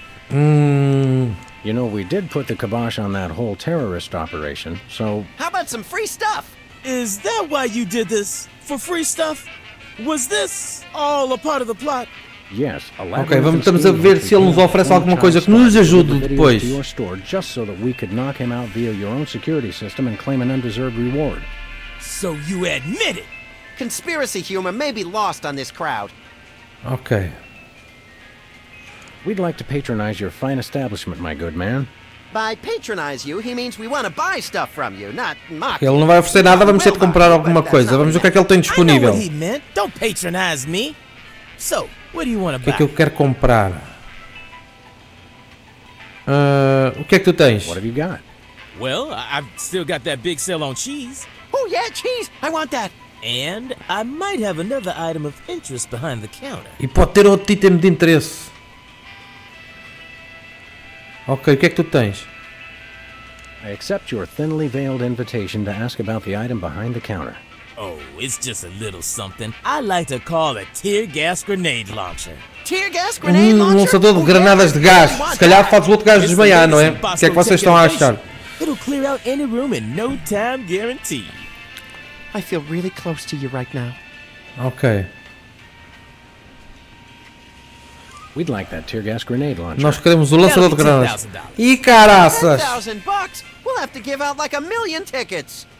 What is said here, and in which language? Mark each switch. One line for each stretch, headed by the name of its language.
English: You know, we did put the kibosh on that whole terrorist operation, so... How about some free stuff? Is that why you did this? For free stuff? Was this all a part of the plot? Yes.
Portuguese: Ok, vamos a ver se ele nos oferece alguma coisa que nos ajude depois.
English: ...to your store just so that we could knock him out via your own security system and claim an undeserved reward. So you admit it! Conspiracy humor may be lost on this crowd. Okay. We'd like to patronize your fine establishment, my good man. By patronize you, he means we want to buy stuff from you, not mock.
Portuguese: Ele não vai oferecer nada, vamos ter de comprar alguma coisa. Vamos ver o que é que ele tem disponível.
English: I know what he meant. Don't patronize me. So, what do you want to buy?
Portuguese: O que é que eu quero comprar? O que é que tu tens?
English: What have you got? Well, I've still got that big sale on cheese. Oh yeah, cheese. I want that. And I might have another item of interest behind the counter.
Portuguese: E pode ter outro item de interesse. Ok, o que é que tu tens?
English: I accept your thinly veiled invitation to ask about the item behind the counter. Oh, it's just a little something. I like to call a tear gas grenade launcher. Tear gas grenade launcher?
Portuguese: Um lançador de granadas de gás. Se calhar faz o outro gajo desmaiar, não é? O que é que vocês estão a achar?
English: It'll clear out any room in no time guaranteed. I feel really close to you right now. Okay. We'd like that tear gas grenade launcher.
Portuguese: Nós queremos o lançador de granadas. E caraças!
English: 10,000 bucks? We'll have to give out like a million tickets.